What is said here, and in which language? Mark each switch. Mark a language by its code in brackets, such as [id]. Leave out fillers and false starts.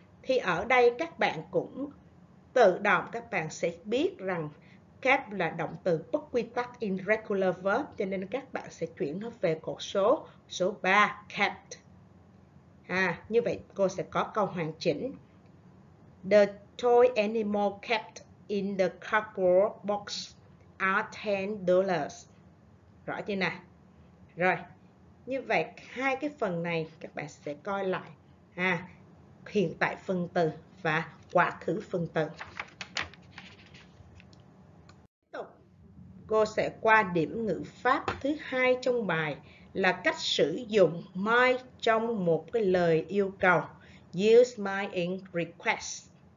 [vi] Thì ở đây các bạn cũng tự động các bạn sẽ biết rằng kept là động từ bất quy tắc [en] in regular verb [vi] cho nên các bạn sẽ chuyển nó về cột số số 3 kept. À, như vậy cô sẽ có câu hoàn chỉnh. [en] The toy animal kept in the cardboard box are $10. [vi] Rõ chưa nè? Rồi, Như vậy hai cái phần này các bạn sẽ coi lại ha, hiện tại phần từ và quá khứ phần từ. Tiếp tục, cô sẽ qua điểm ngữ pháp thứ hai trong bài là cách sử dụng my trong một cái lời yêu cầu, [en] use my in request.